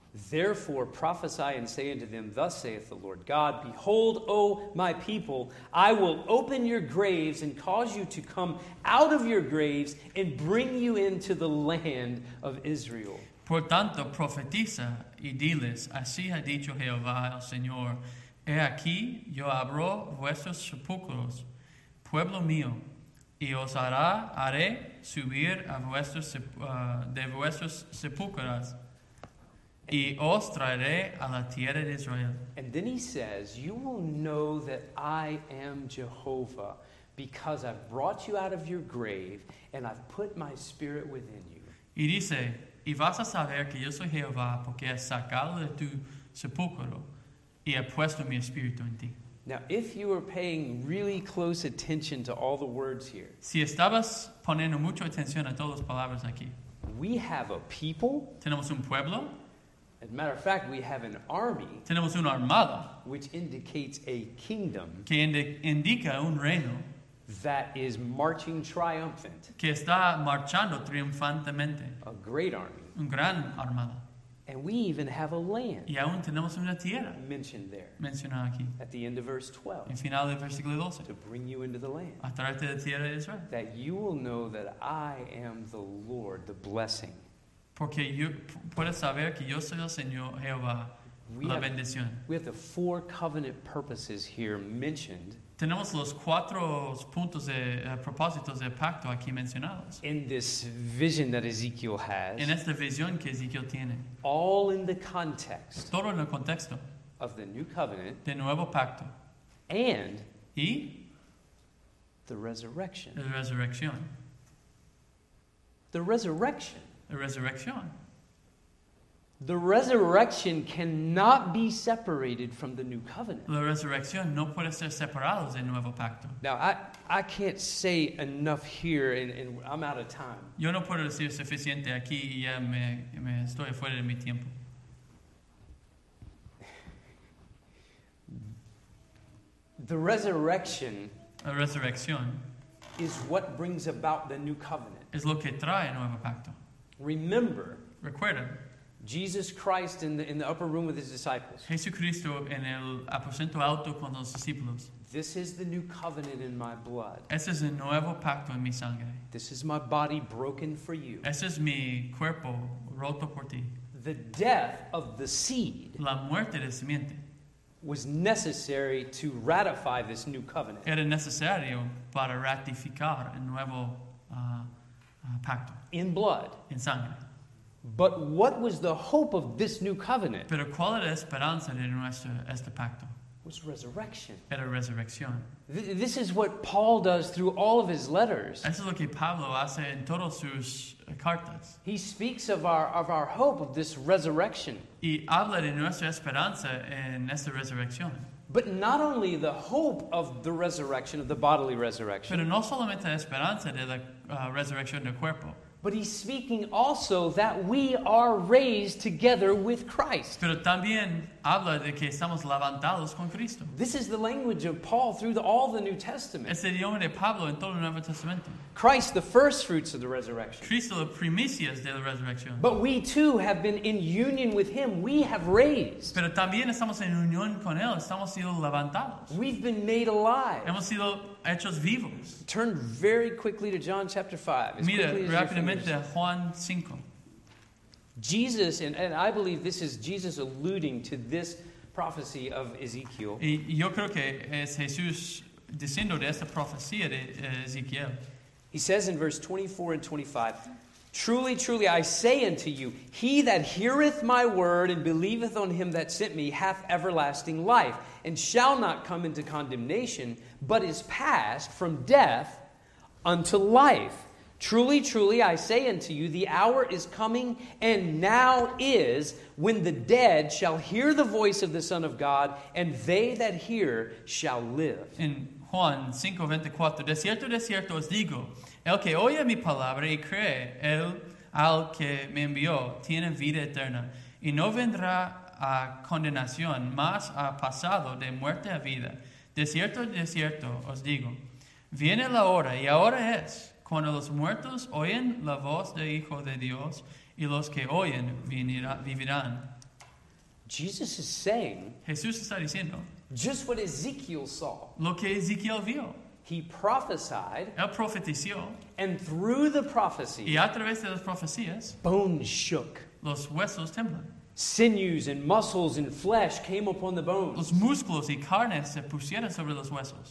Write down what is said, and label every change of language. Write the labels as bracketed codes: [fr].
[en] Therefore prophesy and say unto them, Thus saith the Lord God, Behold, O my people, I will open your graves and cause you to come out of your graves and bring you into the land of Israel. [es] Por tanto, profetiza y diles, Así ha dicho Jehová el Señor, He aquí yo abro vuestros sepulcros, pueblo mío, y os haré subir a vuestros, de vuestros sepulcros. Y os traeré a la tierra de Israel. [en] And then he says, You will know that I am Jehovah because I've brought you out of your grave and I've put my spirit within you. [es] Y dice, Y vas a saber que yo soy Jehová porque he sacado de tu sepulcro y he puesto mi espíritu en ti. [en] Now, if you are paying really close attention to all the words here, [es] si estabas poniendo mucha atención a todas las palabras aquí, [en] we have a people. [es] Tenemos un pueblo. [en] As a matter of fact, we have an army. [es] Tenemos una armada, [en] which indicates a kingdom. [es] Que indica un reino. [en] That is marching triumphant. [es] Que está marchando triunfantemente. [en] A great army. [es] Un gran armada. [en] And we even have a land. [es] Y aún tenemos una tierra. [en] Mentioned there. [es] Mencionada aquí. [en] At the end of verse 12. [es] En final del versículo 12. [en] To bring you into the land. [es] A traerte de tierra de Israel. [en] That you will know that I am the Lord, the blessing. [es] Porque yo puedo saber que yo soy el Señor Jehová, la bendición. [en] We have the four covenant purposes here mentioned. [es] Tenemos los cuatro puntos de propósitos de pacto aquí mencionados. [en] In this vision that Ezekiel has. [es] En esta visión que Ezekiel tiene. [en] All in the context. [es] Todo en el contexto. [en] Of the new covenant. [es] De nuevo pacto. [en] And. [es] Y. [en] The resurrection. [es] La resurrección. [en] The resurrection. The resurrection. The resurrection cannot be separated from the new covenant. [es] La resurrección no puede ser separada del nuevo pacto. [en] Now I can't say enough here, and I'm out of time. [es] Yo no puedo decir suficiente aquí y ya me estoy fuera de mi tiempo. [en] The resurrection. [es] La resurrección. [en] Is what brings about the new covenant. [es] Es lo que trae el nuevo pacto. [en] Remember, [es] recuerda, [en] Jesus Christ in the upper room with his disciples. [es] Jesucristo en el aposento alto con los discípulos. [en] This is the new covenant in my blood. [es] Este es el nuevo pacto en mi sangre. [en] This is my body broken for you. [es] Este es mi cuerpo roto por ti. [en] The death of the seed. [es] La muerte de simiente. [en] Was necessary to ratify this new covenant. [es] Era necesario para ratificar el nuevo pacto. [en] In blood. [es] En sangre. [en] But what was the hope of this new covenant? [es] Pero ¿cuál era la esperanza de nuestro este pacto? [en] Was resurrection. [es] Era resurrección. [en] This is what Paul does through all of his letters. [es] Eso es lo que Pablo hace en todas sus cartas. [en] He speaks of our hope of this resurrection. [es] Y habla de nuestra esperanza en esta resurrección. [en] But not only the hope of the resurrection, of the bodily resurrection. [es] Pero no solamente la esperanza de la resurrección del cuerpo. [en] But he's speaking also that we are raised together with Christ. [es] Pero también habla de que estamos levantados con Cristo. [en] This is the language of Paul through all the New Testament. [es] Es el idioma de Pablo en todo el Nuevo Testamento. [en] Christ, the first fruits of the resurrection. [es] Cristo, las primicias de la resurrección. [en] But we too have been in union with him. We have raised. [es] Pero también estamos en unión con él. Estamos sido levantados. [en] We've been made alive. [es] Hemos sido hechos vivos. [en] Turn very quickly to John chapter 5. As [es] mira, [en] quickly as [es] rápidamente a Juan 5. [en] Jesus, and I believe this is Jesus alluding to this prophecy of Ezekiel. [es] Y yo creo que es Jesús diciendo de esta profecía de Ezequiel. [en] He says in verse 24 and 25, "Truly, truly, I say unto you, he that heareth my word and believeth on him that sent me hath everlasting life, and shall not come into condemnation, but is passed from death unto life. Truly, truly, I say unto you, the hour is coming, and now is, when the dead shall hear the voice of the Son of God, and they that hear shall live." [es] In Juan 5:24, de cierto os digo, el que oye mi palabra y cree, el al que me envió, tiene vida eterna, y no vendrá a condenación, mas ha pasado de muerte a vida. De cierto os digo, viene la hora, y ahora es, cuando los muertos oyen la voz del Hijo de Dios, y los que oyen vivirán. [en] Jesus is saying, [es] Jesús está diciendo, [en] just what Ezekiel saw. [es] Lo que Ezequiel vio. [en] He prophesied. [es] Él profetizó. [en] And through the prophecy. [es] Y a través de las profecías. [en] Bones shook. [es] Los huesos temblan. [en] Sinews and muscles and flesh came upon the bones. [es] Los músculos y carnes se pusieron sobre los huesos.